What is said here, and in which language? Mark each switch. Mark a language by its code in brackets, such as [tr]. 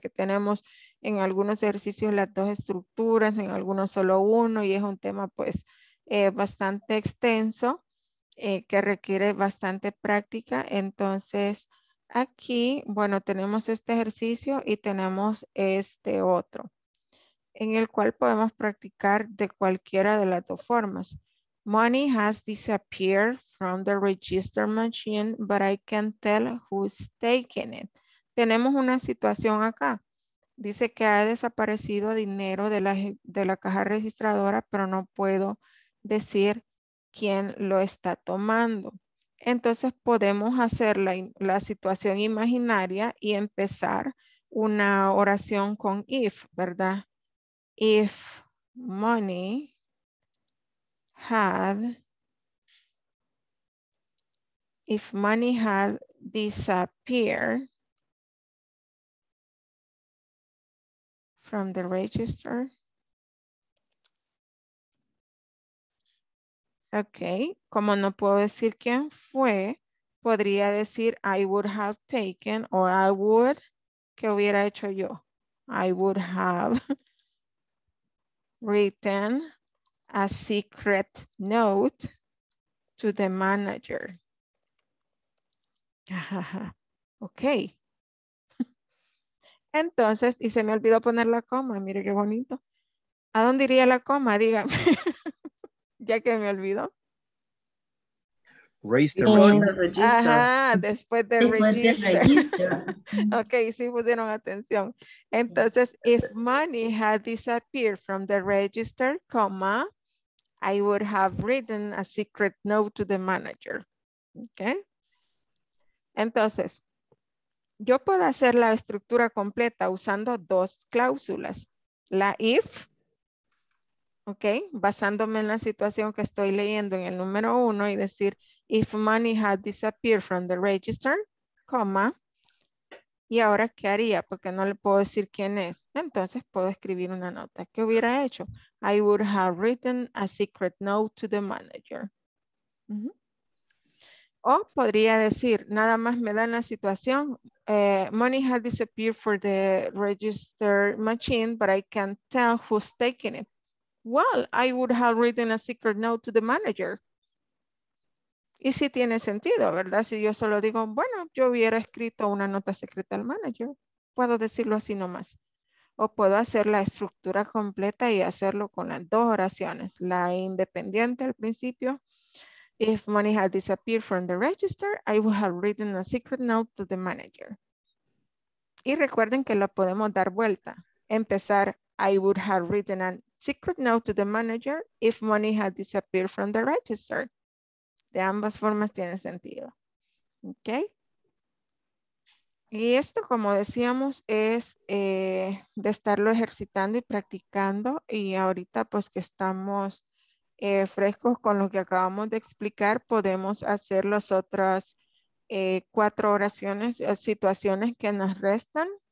[es] Que tenemos en algunos ejercicios las dos estructuras, en algunos solo uno, y es un tema pues bastante extenso que requiere bastante práctica. Entonces, aquí, bueno, tenemos este ejercicio y tenemos este otro, en el cual podemos practicar de cualquiera de las dos formas. [en] Money has disappeared from the register machine, but I can't tell who's taking it. [es] Tenemos una situación acá. Dice que ha desaparecido dinero de la caja registradora, pero no puedo decir quién lo está tomando. Entonces podemos hacer la situación imaginaria y empezar una oración con if, ¿verdad? [en] If money had, if money had disappeared from the register. [es] Okay, como no puedo decir quién fue, podría decir [en] I would have taken, or I would, [es] ¿qué hubiera hecho yo? [en] I would have written a secret note to the manager. Okay. [es] Entonces, y se me olvidó poner la coma, mire qué bonito. ¿A dónde iría la coma? Dígame. Ya que me olvidó. [en] Register machine. [es] Ajá, después de register. Ok, sí pusieron atención. [en] Entonces, if money had disappeared from the register, comma, I would have written a secret note to the manager. Ok. [es] Entonces, yo puedo hacer la estructura completa usando dos cláusulas. La if, ok, basándome en la situación que estoy leyendo en el número uno y decir, [en] if money had disappeared from the register, [es] comma, y ahora, ¿qué haría? Porque no le puedo decir quién es. Entonces, puedo escribir una nota. ¿Qué hubiera hecho? [en] I would have written a secret note to the manager. Mm-hmm. [es] O podría decir, nada más me dan la situación, [en] money has disappeared from the register machine, but I can't tell who's taking it. Well, I would have written a secret note to the manager. [es] Y sí tiene sentido, ¿verdad? Si yo solo digo, bueno, yo hubiera escrito una nota secreta al manager. Puedo decirlo así nomás. O puedo hacer la estructura completa y hacerlo con las dos oraciones. La independiente al principio. [en] If money had disappeared from the register, I would have written a secret note to the manager. [es] Y recuerden que lo podemos dar vuelta. Empezar, [en] I would have written a secret note to the manager if money had disappeared from the register. [es] De ambas formas tiene sentido. ¿Ok? Y esto, como decíamos, es de estarlo ejercitando y practicando. Y ahorita, pues, que estamos frescos con lo que acabamos de explicar, podemos hacer las otras cuatro oraciones, situaciones que nos restan.